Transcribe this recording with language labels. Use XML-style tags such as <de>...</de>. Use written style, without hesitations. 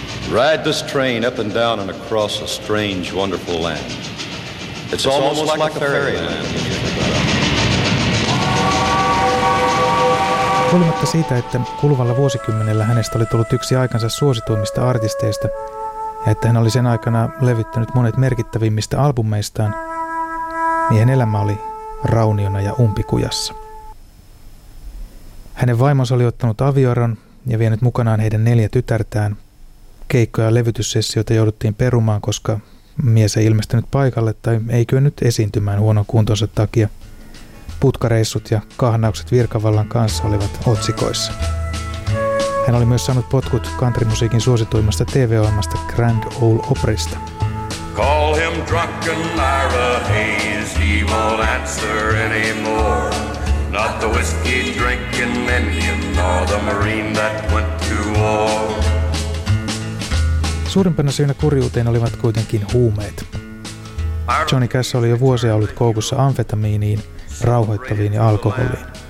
<en>Ride this train up and down and across a strange, wonderful land. It's almost like a fairyland.</en> <fi>Huolimatta siitä, että kuluvalla vuosikymmenellä hänestä oli tullut yksi aikansa suosituimmista artisteista ja että hän oli sen aikana levittänyt monet merkittävimmistä albumeistaan, miehen elämä oli rauniona ja umpikujassa. Hänen vaimonsa oli ottanut avioeron ja vienyt mukanaan heidän 4 tytärtään. Keikkoja ja levytyssessioita jouduttiin perumaan, koska mies ei ilmestynyt paikalle tai ei kyennyt esiintymään huonon kuntonsa takia. Putkareissut ja kahnaukset virkavallan kanssa olivat otsikoissa. Hän oli myös saanut potkut countrymusiikin suosituimmasta TV-ohjelmasta Grand Ole Oprysta.</fi> <en>Call him drunken Ira Hayes, he won't answer anymore. Not the whiskey drinking Indian, nor the marine that went to war.</en> <fi>Suurimpana syynä kurjuuteen olivat kuitenkin huumeet. Johnny Cash oli jo vuosia ollut koukussa amfetamiiniin, rauhoittaviin ja alkoholiin.</fi>